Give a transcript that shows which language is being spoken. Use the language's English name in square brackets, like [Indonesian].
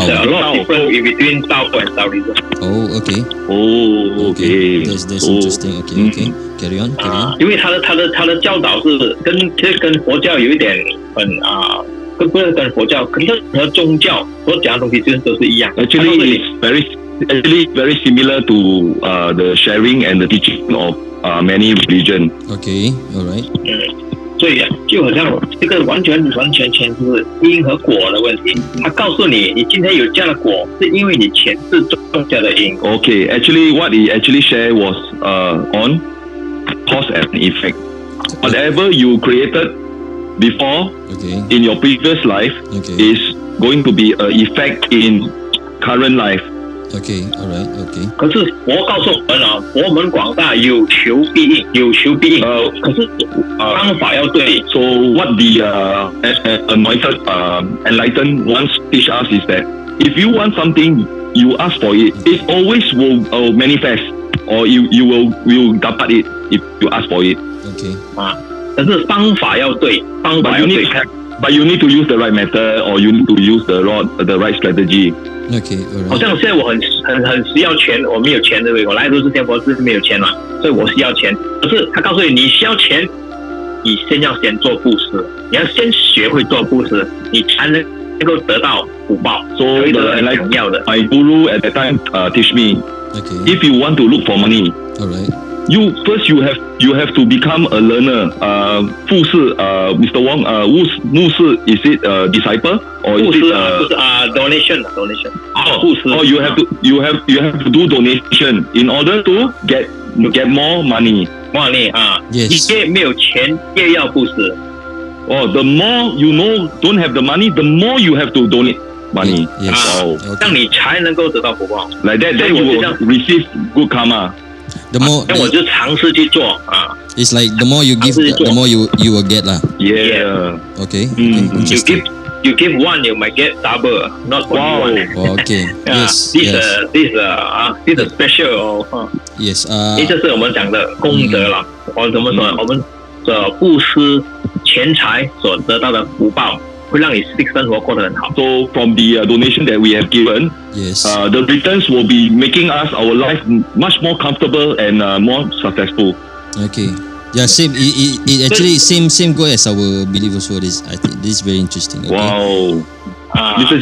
[English] It's a lot of difference in between Tao and Taoism. Oh, okay. Oh, okay. That's interesting. Okay, okay. Carry on. [Chinese] 因为他的教导是跟佛教有一点很啊。跟佛教，可是和宗教所讲的东西其实都是一样。 [English] Actually, very similar to the sharing and the teaching of many religion. Okay, all right. [Chinese] 所以就好像这个完全是因和果的问题。他告诉你，你今天有这样的果，是因为你前世种下的因。 [English] Okay, actually, what he actually shared was on cause and effect. Whatever you created. Before, in your previous life, is going to be an effect in current life. Okay, all right, okay. [Chinese] 可是佛告诉我们啊，佛门广大，有求必应，有求必应。可是方法要对。 [English] So what the anointed enlightened once teach us is that if you want something, you ask for it, it always will manifest, or you will dapat it if you ask for it. Okay. [Chinese] 但是方法要对，方法要对。 [English] But you need to use the right method, or you need to use the right strategy. Okay, alright. [Chinese] 好像现在我很需要钱，我没有钱，对不对？我来的是天佛寺，没有钱嘛，所以我需要钱。可是他告诉你，你需要钱，你先要先做布施，你要先学会做布施，你才能够得到福报。 [English] So the my guru at that time teach me, okay. If you want to look for money, alright. You first, you have to become a learner. 布施Mr. Wong, 布施 is it a disciple or is it donation? Oh, you have to do donation in order to get more money. Yes. [Chinese] 你越没有钱，越要布施。 [English] Oh, the more you know, don't have the money, the more you have to donate. Money, yes. [Chinese] Okay. 让你才能够得到福报。 [English] Like that, then you will receive good karma. The more, [Chinese] 那我就尝试去做啊。 [English] It's like the more you give, the more you will get lah. Yeah. Okay. You give one, you might get double. Not only one. Oh, okay. Yes. This is special. Yes. This is [Chinese] 我们讲的功德啦。我怎么说？我们的布施钱财所得到的福报。会让你性生活过得很好。 [English] So from the donation that we have given, yes, the returns will be making us our life much more comfortable and more successful. Okay, yeah, same. It actually same go as our believers. What is? I think this is very interesting. Okay? Wow, Mr.